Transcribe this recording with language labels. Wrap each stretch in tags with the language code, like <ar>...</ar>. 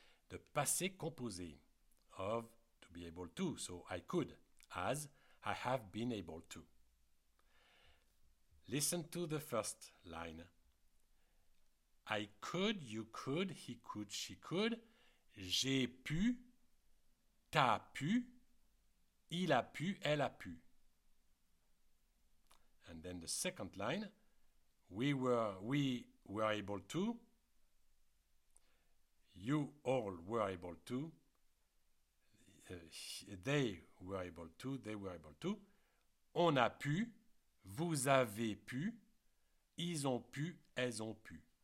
<en>The passé composé of to be able to. So I could, as I have been able to. Listen to the first line. I could, you could, he could, she could.</en> <fr>J'ai pu, t'as pu, il a pu, elle a pu.</fr> <en>And then the second line, we were able to, you all were able to, they were able to,</en> <fr>on a pu, vous avez pu, ils ont pu,</fr> <en>elles ont pu.</en>